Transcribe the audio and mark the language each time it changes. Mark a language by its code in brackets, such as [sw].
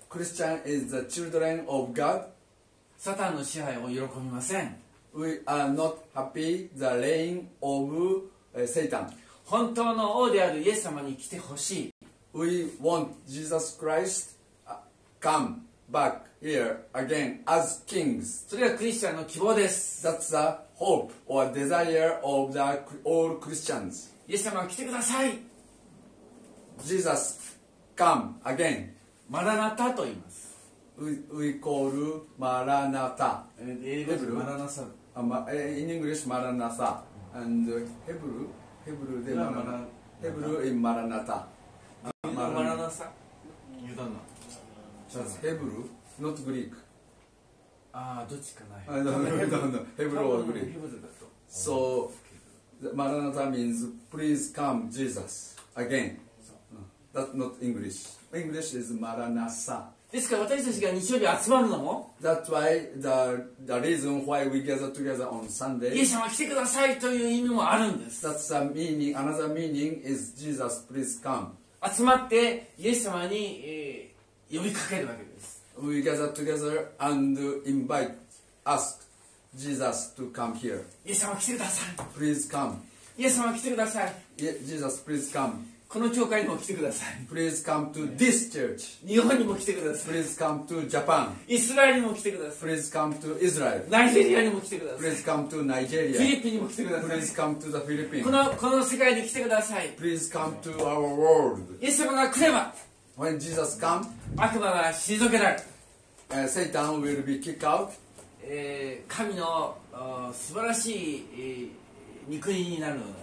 [en] Christian is the children of God. [ja] サタンの支配を喜びません。 [en] We are not happy the reign of Satan. [ja] 本当の王であるイエス様に来てほしい。 [en] We want Jesus Christ come back here again as kings. [ja] それがクリスチャンの希望です。 [en] That's the hope or desire of the all Christians. [ja] イエス様来てください。 [en] Jesus come again. [ja] マラナタと言います。 [en] We call マラナタ。 Hebrew マラナサ。 In English マラナサ and Hebrew. [ja] ヘブルでマラナタ。ヘブルインマラナタ。マラナサ。ユダナ。 [en] That's Hebrew, not Greek. [ja] ああ、どっちかない。ヘブルはグリーク。 [en] So, マラナタ means please come Jesus again. That's not English. English is マラナサ。 [ja] ですから私たちが日曜日集まるのも [en] That's why the reason why we gather together on Sunday [ja] イエス様来てくださいという意味もあるんです [en] That's a meaning, another meaning is Jesus please come [ja] 集まってイエス様に、呼びかけるわけです [en] We gather together and invite, ask Jesus to come here [ja] イエス様来てください [en] Please come [ja] イエス様来てください [en] Jesus please come [ja] この教会にも来てください。 [en] Please come to this church. [ja] 日本にも来てください。 [en] Please come to Japan. [ja] イスラエルにも来てください。 [en] Please come to Israel. [ja] ナイジェリアにも来てください。 [en] Please come to Nigeria. [ja] フィリピンにも来てください。 [en] Please come to the Philippines. [ja] この世界に来てください。 [en] Please come to our world. [ja] イエス様が来れば。 [en] When Jesus comes, [ja] 悪魔が退けられる。 [en] Satan will be kicked out. [ja] 神の素晴らしい御国になる。